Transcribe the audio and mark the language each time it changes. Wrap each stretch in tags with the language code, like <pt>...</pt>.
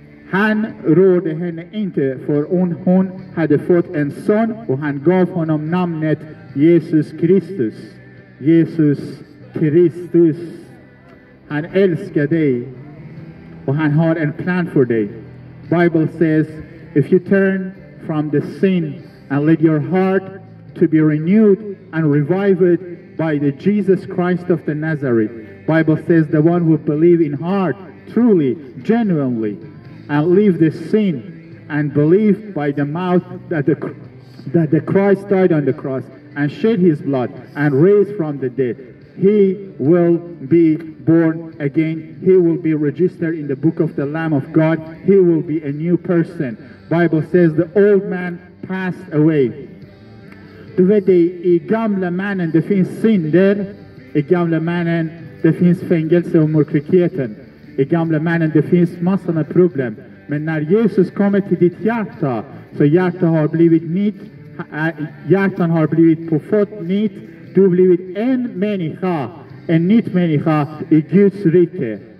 <sv>Han rådde henne inte, för hon hade fått en son och han gav honom namnet Jesus Kristus. Jesus Kristus. Han älskar dig och han har en plan för dig.</sv> <en>Bible says, if you turn from the sin and let your heart to be renewed and revived by the Jesus Christ of the Nazareth. Bible says, the one who believe in heart, truly, genuinely, and leave the sin and believe by the mouth that the Christ died on the cross and shed his blood and raised from the dead. He will be born again. He will be registered in the book of the Lamb of God. He will be a new person. Bible says the old man passed away.</en> <sv>Du vet det, i gamla mannen det finns synder. I gamla mannen det finns fängelse och mörkerheten. I gamla mannen det finns massor av problem. Men när Jesus kommer till ditt hjärta, så hjärtan har blivit nytt, hjärtan har blivit på fot nytt, du har blivit en människa, en nytt människa i Guds rike.</sv>